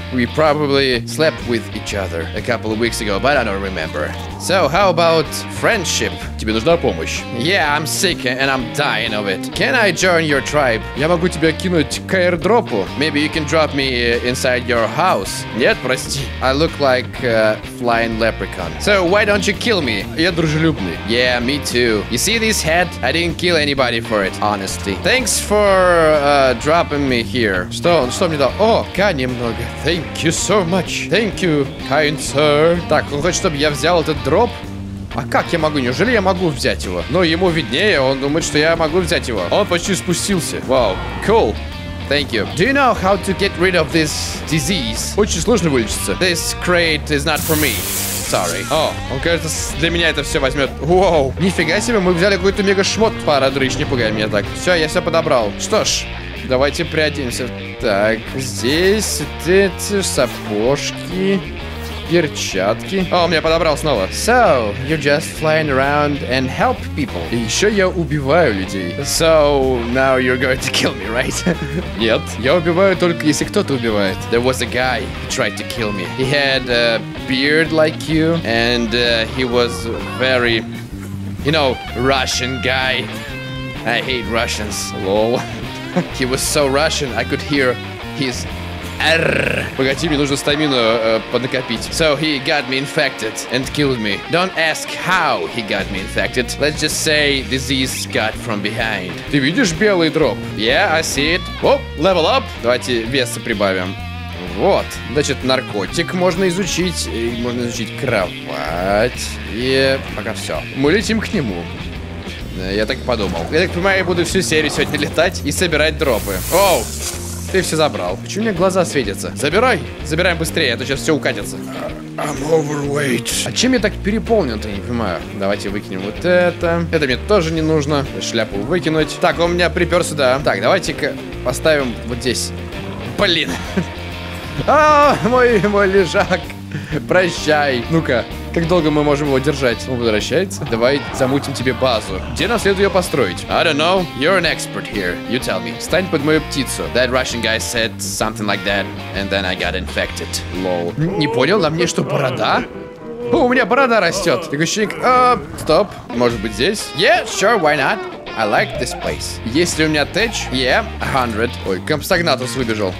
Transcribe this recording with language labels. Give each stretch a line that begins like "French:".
English: We probably slept with each other a couple of weeks ago, but I don't remember. So, how about friendship?
Russian: Тебе нужна помощь?
English: Yeah, I'm sick and I'm dying of it. Can I join your tribe?
Russian: Я могу тебя кинуть к аирдропу.
English: Maybe you can drop me inside your house.
Russian: Нет, прости.
English: I look like a flying leprechaun. So, why don't you kill me?
Russian: Я дружелюбный.
English: Yeah, me too. You see this head? I didn't kill anybody for it, honestly. Thanks for dropping me here.
Russian: Что мне дал? О, ткань немного.
English: Thank you so much. Thank you, kind sir.
Russian: Так, он хочет, чтобы я взял этот дроп? А как я могу? Неужели я могу взять его? Но ему виднее, он думает, что я могу взять его. Он почти спустился. Вау,
English: cool. Thank you. Do you know how to get rid of this disease?
Russian: Очень сложно вылечиться.
English: This crate is not for me. Sorry.
Russian: О, он, кажется, для меня это все возьмет. Воу. Нифига себе, мы взяли какой-то мега-шмот, пара дрыщ, не пугай меня так. Все, я все подобрал. Что ж, давайте приоденемся. Так, здесь эти сапожки, перчатки. О, он меня подобрал снова.
English: So, you're just flying around and help people.
Russian: И еще я убиваю людей.
English: So, now you're going to kill me, right?
Russian: Нет, я убиваю только если кто-то убивает.
English: There was a guy who tried to kill me. He had a beard like you, and he was very, you know, Russian guy. I hate Russians. Lol. He was so Russian, I could hear his...
Russian: Погоди, мне нужно стамину поднакопить.
English: So he got me infected and killed me. Don't ask how he got me infected. Let's just say disease got from behind.
Russian: Ты видишь белый дроп?
English: Yeah, I see it. О, level up.
Russian: Давайте веса прибавим. Вот. Значит, наркотик можно изучить. И можно изучить кровать. И пока все. Мы летим к нему. Я так подумал. Я так понимаю, я буду всю серию сегодня летать и собирать дропы. Оу! Ты все забрал. Почему у меня глаза светятся? Забирай! Забираем быстрее, а то сейчас все укатится.
English: I'm overweight.
Russian: А чем я так переполнен-то, не понимаю. Давайте выкинем вот это. Это мне тоже не нужно. Шляпу выкинуть. Так, он меня припер сюда. Так, давайте-ка поставим вот здесь. Блин! А, мой лежак! Прощай! Ну-ка. Как долго мы можем его держать? Он возвращается. Давай замутим тебе базу. Где нам следует ее построить?
English: I don't know. You're an expert here. You tell me.
Russian: Встань под мою птицу.
English: That Russian guy said something like that, and then I got infected.
Russian: Лол. Не понял, на мне что, борода? О, у меня борода растет. Такое ощущение, стоп. Может быть здесь?
English: Yeah, sure, why not? I like this place.
Russian: Есть ли у меня тэч?
English: Yeah, 100.
Russian: Ой, компстагнатус выбежал.